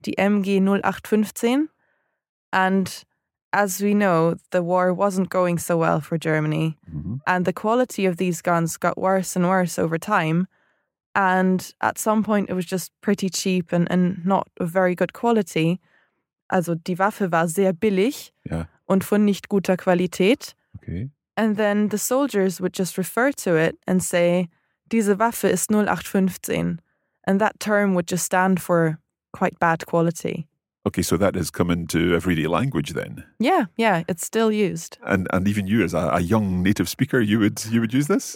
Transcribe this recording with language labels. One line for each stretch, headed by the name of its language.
German: Die MG0815.
English: And as we know, the war wasn't going so well for Germany. Mm-hmm. And the quality of these guns got worse and worse over time. And at some point, it was just pretty cheap and not of very good quality.
German: Also die Waffe war sehr billig und von nicht guter Qualität.
English: Okay. And then the soldiers would just refer to it and say,
German: diese Waffe ist 0815.
English: And that term would just stand for quite bad quality. Okay, so that has come into everyday language then? Yeah, it's still used. And even you, as a young native speaker, you would use this?